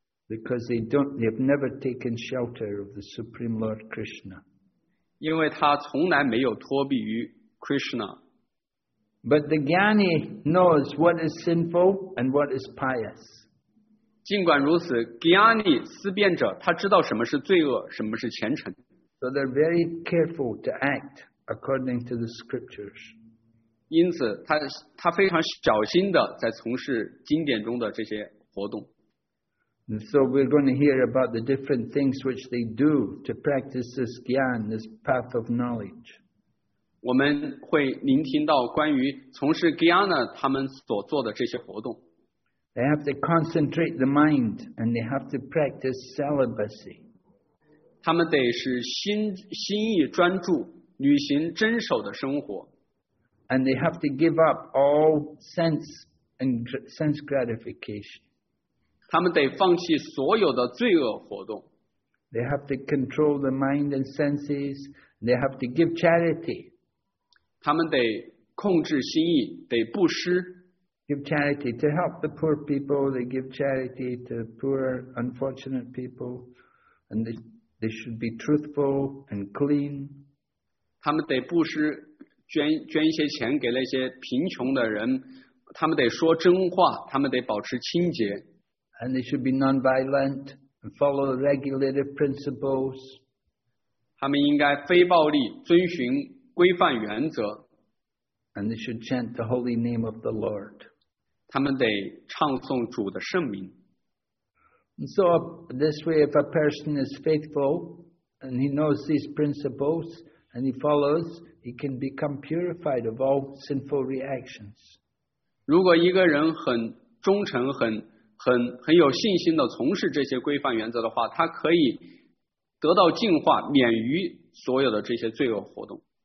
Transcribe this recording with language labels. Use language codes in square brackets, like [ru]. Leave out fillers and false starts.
[en] Because they have never taken shelter of the Supreme Lord Krishna. [zh] 因为他从来没有脱避于 Krishna. [en] But the Gyani knows what is sinful and what is pious. [zh] 尽管如此 ，Gyani 思辨者他知道什么是罪恶，什么是虔诚。 [en] So they're very careful to act according to the scriptures. [zh] 因此他非常小心的在从事经典中的这些活动。 [en] And so we're going to hear about the different things which they do to practice this gyan, this path of knowledge. [zh] 我们会聆听到关于从事 gyan 他们所做的这些活动。 [en] They have to concentrate the mind and they have to practice celibacy. [zh] 他们得是心意专注，履行真守的生活。 [en] And they have to give up all sense gratification. [zh] 他们得放弃所有的罪恶活动。 [en] They have to control the mind and senses. They have to give charity. [zh] 他们得控制心意，得布施。 [en] Give charity to help the poor people. They give charity to poor, unfortunate people. And they They should be truthful and clean. [zh] 他们得布施，捐一些钱给那些贫穷的人。他们得说真话，他们得保持清洁。 [en] And they should be non-violent and follow the regulative principles. [zh] 他们应该非暴力，遵循规范原则。 [en] And they should chant the holy name of the Lord. [zh] 他们得唱诵主的圣名。 [en] And so this way, if a person is faithful and he knows these principles and he follows, he can become purified of all sinful reactions. [zh] 如果一个人很忠诚，很有信心地从事这些规范原则的话，他可以得到净化，免于所有的这些罪恶活动。